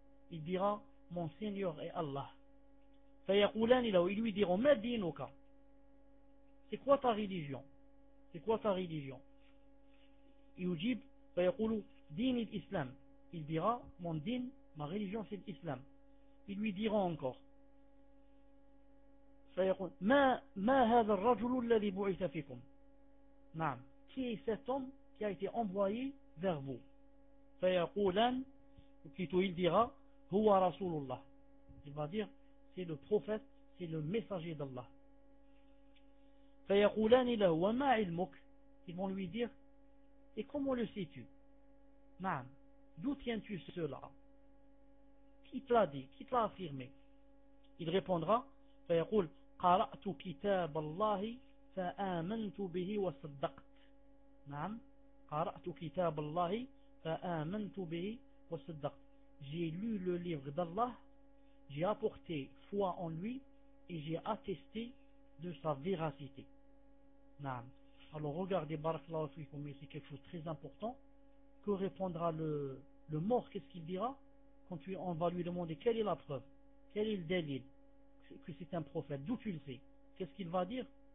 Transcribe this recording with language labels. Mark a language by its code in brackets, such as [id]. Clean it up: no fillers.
[fr] Il dira, mon Seigneur est Allah. [ar] فَيَقُولَانِ لَهُ. [fr] Ils lui diront, [ar] مَا دِينُكَ. [fr] C'est quoi ta religion? C'est quoi ta religion? [ar] يُجِيب فَيَقُولُ دِينِ الْإِسْلَامِ. [fr] Il dira, mon dîn, ma religion, c'est l'islam. Ils lui diront encore, [ar] فَيَقُولُ مَا هَذَا الرَّجُلُ الَّذِي بُعِثَ فِيكُمْ. نعم. [fr] Qui est cet homme qui a été envoyé vers vous? [ar] فَيَقُولَانِ. [fr] Plutôt, il dira, [ar] هُوَ رَسُولُ اللَّهِ. [fr] Il va dire, c'est le prophète, c'est le messager d'Allah. [ar] فَيَقُولَانِ لَهُ وَمَا عِلْمُكَ. [fr] Ils vont lui dire, et comment le sais-tu? Nam, d'où tiens-tu cela? Qui te l'a dit? Qui te l'a affirmé? Il répondra, [ar] فَيَقُولُ قَرَأْتُ كِتَابَ اللَّهِ فَآمَنْتُ بِهِ وَصَدَّقْتُ. Nam, قَرَأْتُ كِتَابَ اللَّهِ فَآمَنْتُ بِهِ وَصَدَّقْتُ. [fr] J'ai lu le livre d'Allah, j'ai apporté foi en lui et j'ai attesté de sa véracité. Nam. Alors regardez, barakallahu fikoum, mais c'est quelque chose de très important. Que répondra le mort? Qu'est-ce qu'il dira quand on va lui demander quelle est la preuve, quel est le délit que c'est un prophète? D'où tu le sais? Qu'est-ce qu'il va dire?